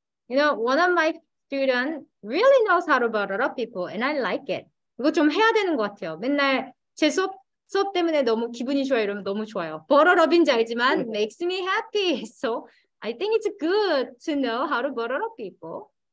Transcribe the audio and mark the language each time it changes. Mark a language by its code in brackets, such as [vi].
[en] You know, one of my students really knows how to butter up people, and I like it. [ko] 이거 좀 해야 되는 것 같아요. 맨날 제 수업 때문에 너무 기분이 좋아 이러면 너무 좋아요. [en] Butter up인지 [ko] 알지만 [en] makes me happy. So I think it's good to know how to butter up people.